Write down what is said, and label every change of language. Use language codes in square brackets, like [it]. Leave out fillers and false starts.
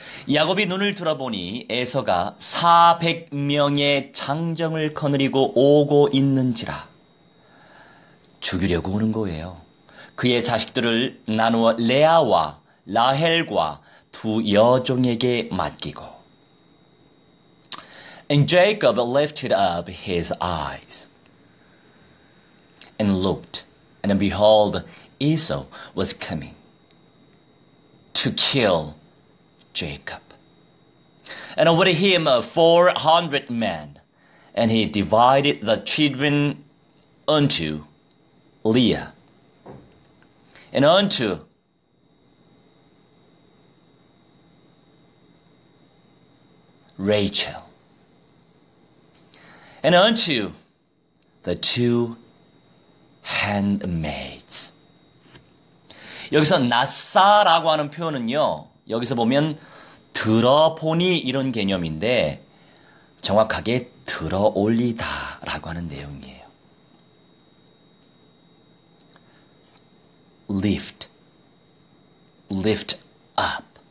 [ko] 야곱이 눈을 들어보니 에서가 400명의 장정을 거느리고 오고 있는지라. 죽이려고 오는 거예요. 그의 자식들을 나누어 레아와 라헬과 두 여종에게 맡기고. [en] And Jacob lifted up his eyes and looked, and behold, Esau was coming to kill Jacob. And with him 400 men, and he divided the children unto Leah and unto Rachel and unto the two handmaids. [ko] 여기서 낯사라고 하는 표현은요, 여기서 보면 들어보니 이런 개념인데 정확하게 들어올리다라고 하는 내용이에요. [en] Lift, lift up.